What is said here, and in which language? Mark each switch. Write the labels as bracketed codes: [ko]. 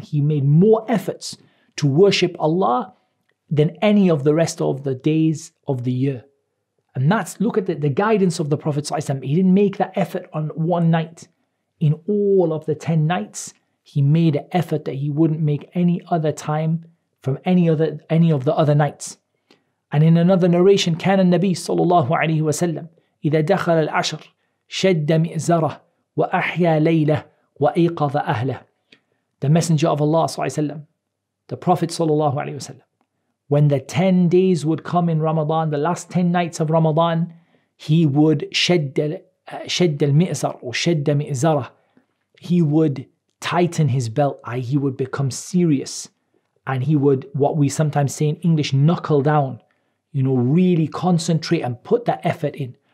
[en] And he made more efforts to worship Allah than any of the rest of the days of the year. And that's, look at the guidance of the Prophet ﷺ. He didn't make that effort on one night. In all of the 10 nights, he made an effort that he wouldn't make any other time from any of the other nights. And in another narration, [ar] كان النبي صلى الله عليه وسلم إذا دخل العشر شد مئزره وأحيا ليله وأيقظ أهله. [en] The Messenger of Allah [ar] صلى الله عليه وسلم, [en] the Prophet صلى الله عليه وسلم, when the 10 days would come in Ramadan, the last 10 nights of Ramadan, he would [ar] شد مئزره, [en] he would tighten his belt, he would become serious, and he would, what we sometimes say in English, knuckle down, you know, really concentrate and put that effort in.